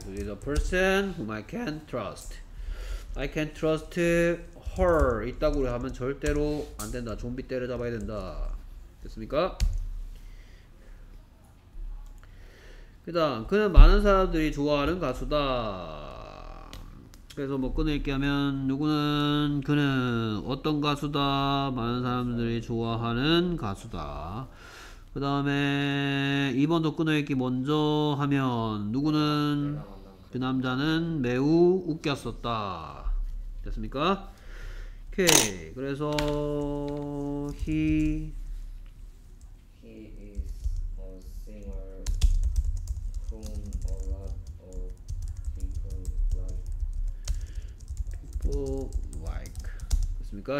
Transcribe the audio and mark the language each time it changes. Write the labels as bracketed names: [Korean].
[English] 수지 is the person whom I can trust. I can trust her. [Korean] 이따구로 하면 절대로 안 된다. 좀비 때려잡아야 된다. 됐습니까? 그 다음 그는 많은 사람들이 좋아하는 가수다. 그래서 뭐 끊어있게 하면 누구는 그는 어떤 가수다. 많은 사람들이 좋아하는 가수다. 그 다음에 2번도 끊어있게 먼저 하면 누구는 그 남자는 매우 웃겼었다. 됐습니까? 오케이. 그래서 [English] He is a singer whom a lot of people like. [Korean] 됐습니까?